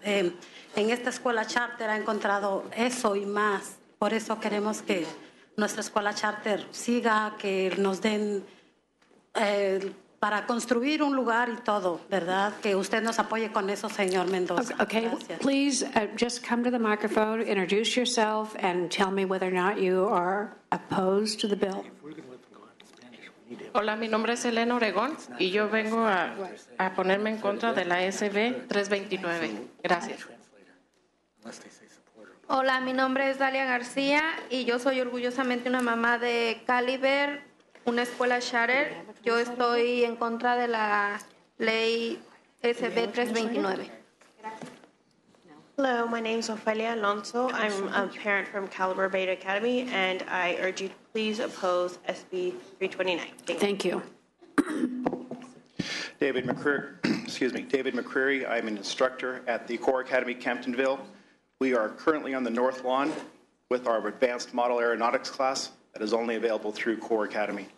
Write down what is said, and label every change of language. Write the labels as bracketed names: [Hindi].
[Spanish] En esta escuela charter ha encontrado eso y más. Por eso queremos que nuestra escuela charter siga, que nos den para construir un lugar y todo, ¿verdad? Que usted nos apoye con eso, señor Mendoza. Okay, okay. Gracias. [English] Please just come to the microphone, introduce yourself, and tell me whether or not you are opposed to the bill. [Spanish] Hola, mi nombre es Elena Oregón y yo vengo a ponerme en contra de la SB 329. Gracias. Hola, mi nombre es Dalia García y yo soy orgullosamente una mamá de Caliber, una escuela charter. Yo estoy en contra de la ley SB 329. [English] Hello, my name is Ophelia Alonso. I'm a parent from Caliber Beta Academy, and I urge you to please oppose SB 329. Thank you. David McCreary, excuse me, David McCreary. I'm an instructor at the Corps Academy, Camptonville. We are currently on the North Lawn with our advanced model aeronautics class that is only available through Corps Academy.